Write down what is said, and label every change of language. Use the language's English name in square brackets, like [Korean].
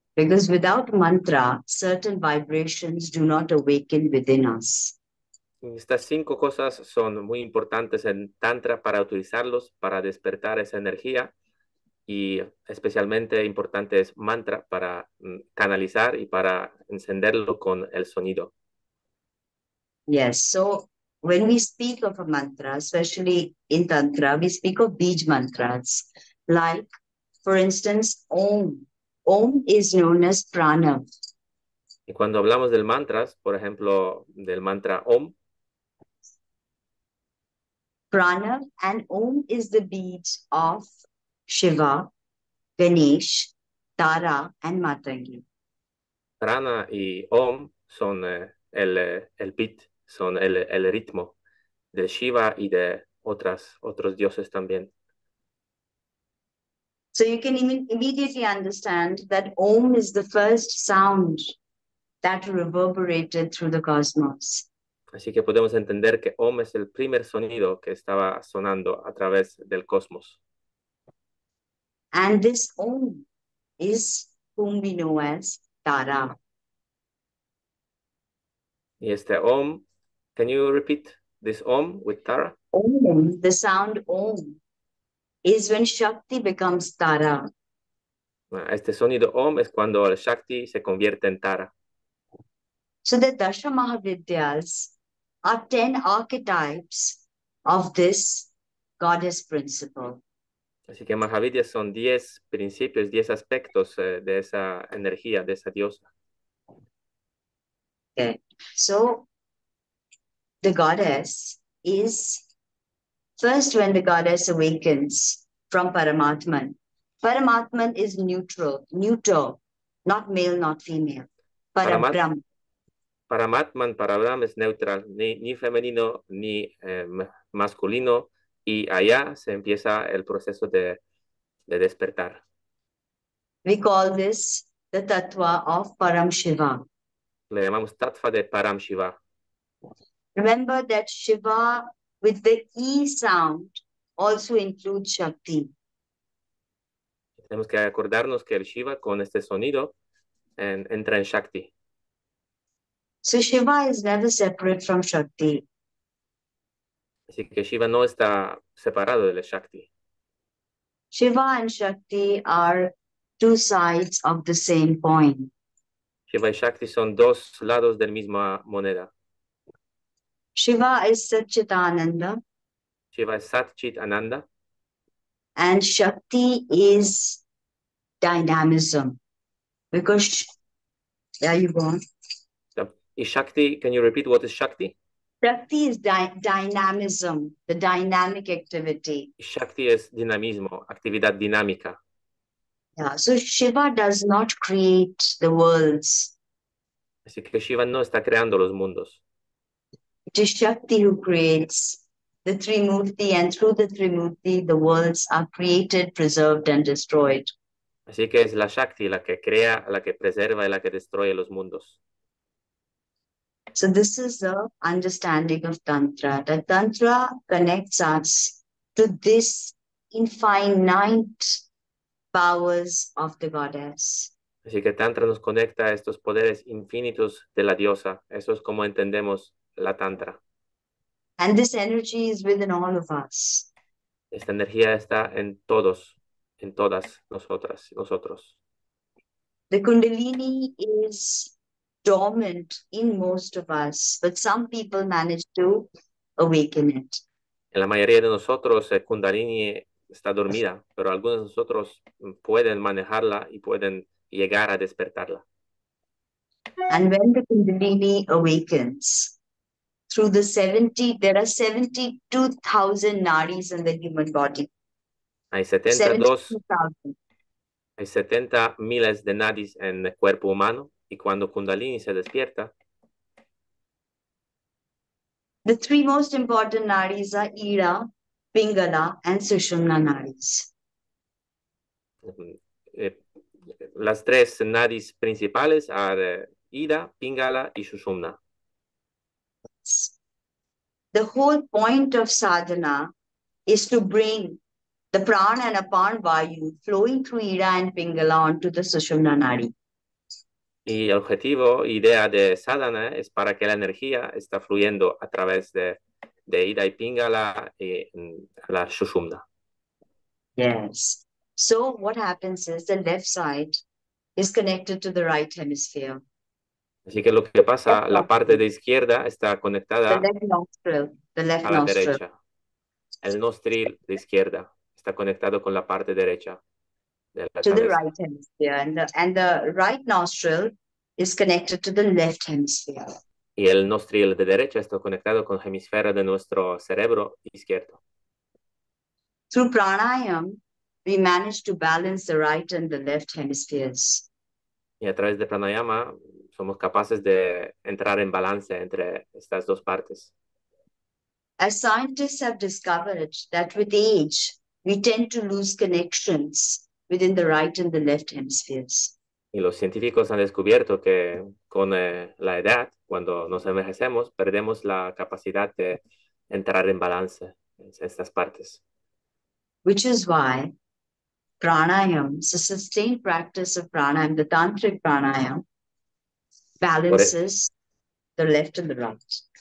[English] Because without Mantra, certain vibrations do not awaken within us. [Spanish] Estas cinco cosas son muy importantes en Tantra para utilizarlos, para despertar esa energía. y especialmente importante es mantra para canalizar y para encenderlo con el sonido. [English] Yes, so when we speak of a mantra, especially in tantra, we speak of bij mantras. Like, for instance, Om. Om is known as prana. [Spanish] Y cuando hablamos del mantras, por ejemplo, del mantra Om. [English] Prana and Om is the bij of Shiva, Ganesh, Tara and Matangi. [Spanish] Prana y Om son el beat, son el ritmo de Shiva y de otros dioses también. [English] So you can immediately understand that Om is the first sound that reverberated through the cosmos. [Spanish] Así que podemos entender que Om es el primer sonido que estaba sonando a través del cosmos. [English] And this Om is whom we know as Tara. [Spanish] Y este Om, [English] can you repeat this Om with Tara? Om, the sound Om, is when Shakti becomes Tara. [Spanish] Este sonido Om es cuando el Shakti se convierte en Tara. [English] So the Dasha Mahavidyas are 10 archetypes of this goddess principle. [Spanish] Así que Mahavidya son 10 principios, 10 aspectos de esa energía, de esa diosa. [English] Okay. So the goddess is first when the goddess awakens from Paramatman. Paramatman is neutral, neuter, not male, not female. Parabrahma. [Spanish] Paramatman para Brahm es neutral, ni femenino ni masculino, y allá se empieza el proceso de despertar. [English] We call this the tattva of Param Shiva. [Spanish] Le llamamos tattva de Param Shiva. [English] Remember that Shiva with the E sound also includes Shakti. [Spanish] Tenemos que acordarnos que el Shiva con este sonido entra en Shakti. [English] So Shiva is never separate from Shakti. [Spanish] Así que Shiva no está separado del Shakti. [English] Shiva and Shakti are two sides of the same coin. [Spanish] Shiva y Shakti son dos lados de la misma moneda. [English] Shiva is Satchitananda. [Spanish] Shiva es Satchit Ananda. [English] And Shakti is dynamism. Because, there you go. Is Shakti, can you repeat what is Shakti? Shakti is dynamism, the dynamic activity. [Spanish] Shakti is dinamismo, actividad dinámica. [English] Yeah, so Shiva does not create the worlds. [Spanish] Así que Shiva no está creando los mundos. [English] It is Shakti who creates the Trimurti, and through the Trimurti, the worlds are created, preserved, and destroyed. [Spanish] Así que es la Shakti la que crea, la que preserva y la que destruye los mundos. [English] So this is the understanding of Tantra, that Tantra connects us to this infinite powers of the goddess. [Spanish] Así que Tantra nos conecta a estos poderes infinitos de la diosa. Eso es como entendemos la Tantra. [English] And this energy is within all of us. [Spanish] Esta energía está en todos, en todas nosotras, nosotros. [English] The Kundalini is dormant in most of us, but some people manage to awaken it. [Spanish] En la mayoría de nosotros, Kundalini está dormida, pero algunos de nosotros pueden manejarla y pueden llegar a despertarla. [English] And when the Kundalini awakens, through the 70, there are 72,000 nadis in the human body. [Spanish] Hay 72,000. Hay 70 miles de nadis en el cuerpo humano. Y cuando Kundalini se despierta, [English] the three most important nadis are Ira, Pingala, and Sushumna nadis. [Spanish] Las tres nadis principales are Ira, Pingala, y Sushumna. [English] The whole point of sadhana is to bring the prana and apan vayu flowing through Ira and Pingala onto the Sushumna nadi. [Spanish] Y el objetivo, idea de sadhana es para que la energía está fluyendo a través de Ida y Pingala y la Sushumna. [English] Yes. So what happens is the left side is connected to the right hemisphere. [Spanish] Así que lo que pasa, la parte de izquierda está conectada [English] the left [Spanish] a la derecha. El nostril de izquierda está conectado con la parte derecha de la [English] to [Spanish] cabeza. [English] The right hemisphere. And the right nostril is connected to the left hemisphere. [Spanish] Y el nostril de derecha está conectado con la hemisfera de nuestro cerebro izquierdo. [English] Through pranayama, we manage to balance the right and the left hemispheres. [Spanish] Y a través de pranayama, somos capaces de entrar en balance entre estas dos partes. [English] As scientists have discovered that with age, we tend to lose connections within the right and the left hemispheres. [Spanish] Y los científicos han descubierto que con la edad, cuando nos envejecemos, perdemos la capacidad de entrar en balance en estas partes. [English] Which is why pranayama, the sustained practice of pranayama, the tantric pranayama, balances the left and the right.